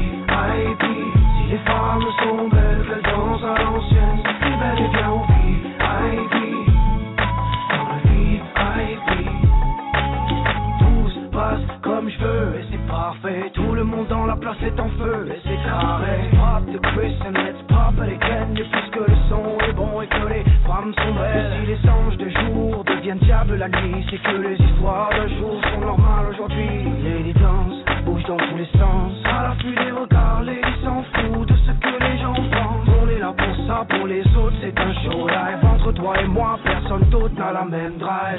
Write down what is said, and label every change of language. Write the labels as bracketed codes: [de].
[fr] VIP, si les femmes sont belles, qu'elles dansent à l'ancienne, c'est plus belle et bien au VIP. Dans le VIP, tout se passe comme je veux et c'est parfait. Tout le monde dans la place est en feu et c'est carré. [en] Pop the Chris and let's pop it again. [fr] Et puisque le son est bon et que les femmes sont belles, et si les anges de jour deviennent diables la nuit, c'est que les histoires de jour sont normales aujourd'hui. Lady dance, bouge dans tous les sens, à l'affût des regards, Lady s'en fout de ce que les gens pensent. On est là pour ça, pour les autres c'est un show live. Entre toi et moi, personne d'autre n'a la même drive.